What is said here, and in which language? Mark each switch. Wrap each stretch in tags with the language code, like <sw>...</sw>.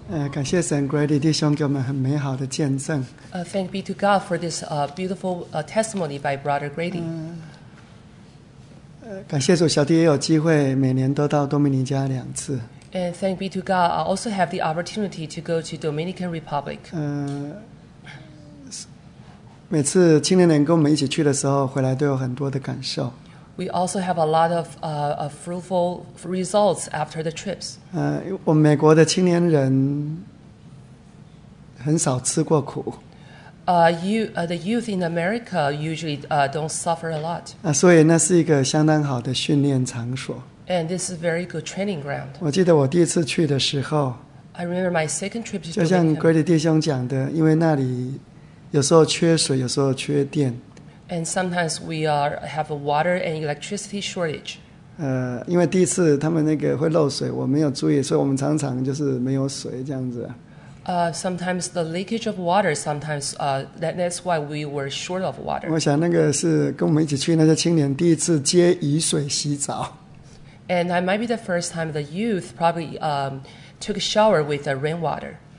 <zh>感谢神 ，Grady 弟兄给我们很美好的见证。</zh> <en>Thank be to God for this beautiful testimony by Brother Grady.</en> <zh>感谢主，小弟也有机会每年都到多米尼加两次。</zh> <en>And thank be to God, I also have the opportunity to go to Dominican Republic.</en> <zh>每次青年人跟我们一起去的时候，回来都有很多的感受。</zh> <en>We also have a lot of fruitful results after the trips.</en> <zh>我们美国的青年人很少吃过苦。</zh> <en>The youth in America usually don't suffer a lot.</en> <zh>所以那是一个相当好的训练场所。</zh> <en>And this is a very good training ground.</en> <zh>我记得我第一次去的时候</zh> <en>，I remember my second trip to Dominican.</en> <zh>就像 Grady 弟兄讲的，因为那里。有时候缺水，有时候缺电。</zh> <en>And sometimes we have a water and electricity shortage.</en> <zh>因为第一次他们那个会漏水，我没有注意，所以我们常常就是没有水这样子。</zh> <en>Sometimes the leakage of water. Sometimes that's why we were short of water.</en> <zh>我想那个是跟我们一起去那些青年第一次接雨水洗澡。</zh> <en>And that might be the first time the youth probably took a shower with the rainwater.</en>